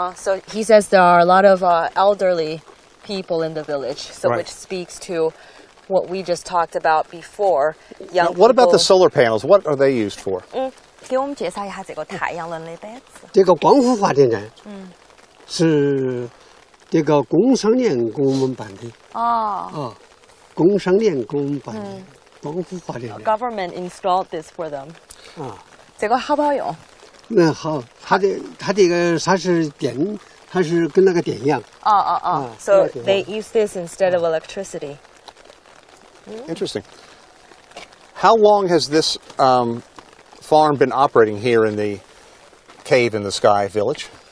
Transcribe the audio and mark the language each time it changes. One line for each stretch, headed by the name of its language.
English: So he says there are a lot of elderly people in the village, so which speaks to what we just talked about before. Now, what about the solar panels? What are they used for?
Chinese: 给我们介绍一下这个太阳能的板子。这个光伏发电站是这个工商联给我们办的。工商联给我们办的光伏发电站。
English: Government installed this for them.
Chinese: 这个好不好用？那好，它这个它是跟那个电一样。So
English: they use this instead of electricity. Interesting. How long has this farm been operating here in the cave in the sky village?